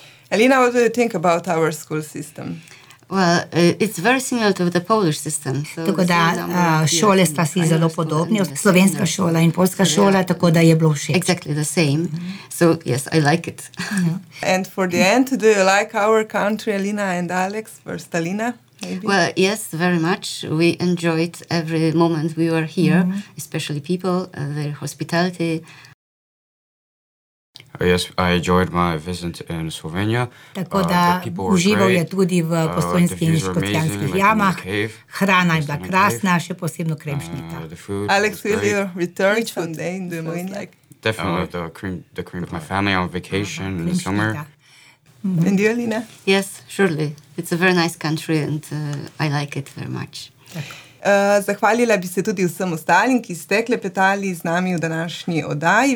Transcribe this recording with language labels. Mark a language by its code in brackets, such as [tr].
[en] Alina, what do you think about our school system? Well, it's very similar to the Polish system. So [sl] tako da šole sta si zelo podobni, slovenska šola in poljska šola, tako da je bilo všeč. [en] Exactly the same. So, yes, I like it. And for the end, do you like our country, Alina and Alex, first Alina? Maybe. Well, yes, very much. We enjoyed every moment we were here, mm-hmm. especially people, their hospitality. Yes, I enjoyed my visit in Slovenia. [sl] Tako da užival je tudi v postojnskih in škocjanskih jamah. Hrana je bila krasna, še posebno kremšnita. [en] Alex, will you return one day in the morning? Definitely, the cream with my family on vacation in the summer. Mm-hmm. And you, Alina? Yes, surely. It's a very nice country and I like it very much. [sl] Zahvalila bi se tudi vsem ostalim, ki ste klepetali z nami v današnji oddaji.